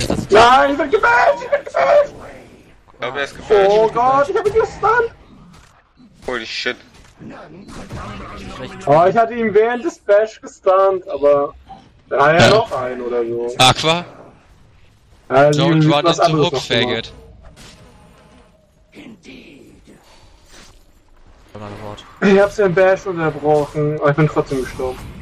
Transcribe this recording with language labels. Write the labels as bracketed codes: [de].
[de] Nein, ich bin gefällt! Ich bin gefällt! Ich glaube, er ist gefällt. Oh Gott, ich hab ihn gestunt! [en] Holy shit. [de] Oh, ich hatte ihn während des Bash gestunt, aber da war ja noch ein oder so. Aqua? [en] Don't run into the hook, faggot. [de] Ich hab's ja im Bash unterbrochen, aber ich bin trotzdem gestorben.